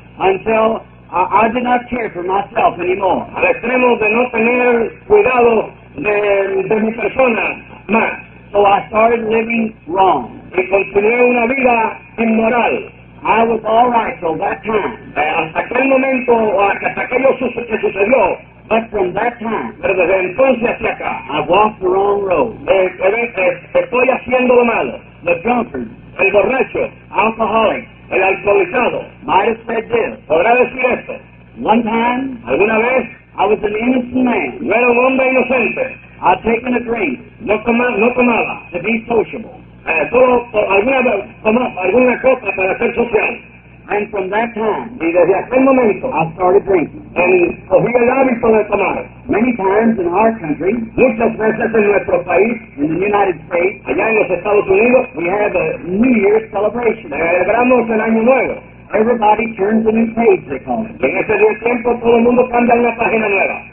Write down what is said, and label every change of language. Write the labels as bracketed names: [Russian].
[English] Until I did not care for myself anymore. [Spanish] Al extremo de no tener cuidado de mi persona más. [English] So I started living wrong. [Spanish] Y continué una vida inmoral. [English] I was all right till that time. [Spanish] Hasta aquel momento, hasta aquello que sucedió. [English] But from that time, [Spanish] pero desde entonces hacia acá, [English] I walked the wrong road. [Spanish] Estoy haciendo lo malo. [English] The drunkard, [Spanish] el borracho, [English] alcoholic, [Spanish] el alcoholizado, [English] might have said this. [Spanish] Podrá decir esto. [English] One time, [Spanish] alguna vez, [English] I was an innocent man. [Spanish] Yo era un hombre inocente. [English] I'd taken a drink. [Spanish] No tomaba. [English] To be sociable. [Spanish] Alguna copa para ser social. [English] And from that time, [Spanish] y desde aquel momento, [English] I started drinking. [Spanish] And cogí el hábito de tomar. [English] Many times in our country, [Spanish] muchas veces en nuestro país, [English] in the United States, [Spanish] allá en los Estados Unidos, [English] we have a New Year's celebration. [Spanish] Celebramos el año nuevo. [English] Everybody turns a new page, they call it. [Spanish] Y en ese día tiempo, todo el mundo cambia una página nueva.